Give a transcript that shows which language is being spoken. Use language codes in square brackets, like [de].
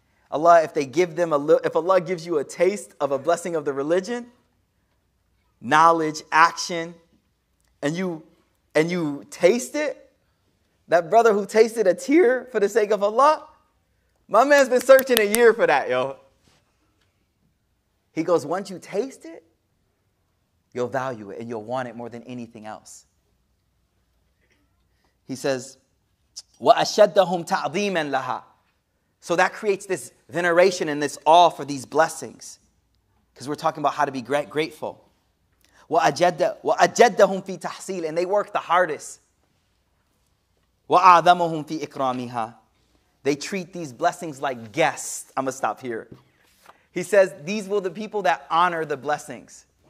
[en] Allah, if they give them a little, if Allah gives you a taste of a blessing of the religion, knowledge, action, and you taste it, that brother who tasted a tear for the sake of Allah, my man's been searching a year for that, yo. He goes, once you taste it, you'll value it and you'll want it more than anything else. He says, [ar] وَأَشَدَّهُمْ تَعْظِيمًا لَهَا. [en] So that creates this veneration and this awe for these blessings. Because we're talking about how to be grateful. [ar] وَأَجَدَّهُمْ فِي تَحْصِيلٍ. [en] And they work the hardest. [ar] وَأَعْظَمُهُمْ فِي إِكْرَامِهَا. [en] They treat these blessings like guests. I'm going to stop here. He says, these will the people that honor the blessings.